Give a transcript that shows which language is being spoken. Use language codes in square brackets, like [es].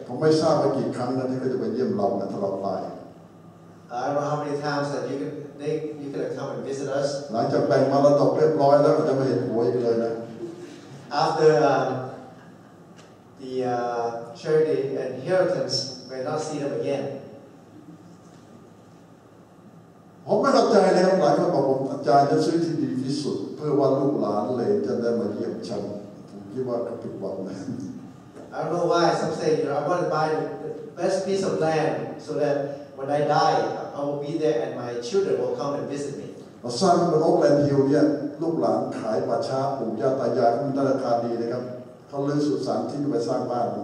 [th] ผมไม่ทราบว่ากี่ครั้งนะที่เขาจะไปเยี่ยมเรานะตลอดไป [en] I don't know how many times that you could have come and visit us. [th] หลังจากแบ่งมรดกเรียบร้อยแล้วก็จะไม่เห็นหัวอีกเลยนะ [en] After the charity and inheritance, we will not see them again. [th] ผมไม่เข้าใจเลยครับหลายคนบอกผมอาจารย์จะซื้อที่ดีที่สุดเพื่อว่าลูกหลานเหลนจะได้มาเยี่ยมชมผมคิดว่าผิดหวังนะ [en] I don't know why some say you know, I want to buy the best piece of land so thatWhen I die, I will be there, and my children will come and visit me. [th] เราสร้างบนโอ๊คแลนด์ฮิลล์เนี่ยลูกหลานขายป่าช้าปู่ย่าตายายเขามีราคาดีนะครับเขาเลื้อสุสานที่จะไปสร้างบ้านนี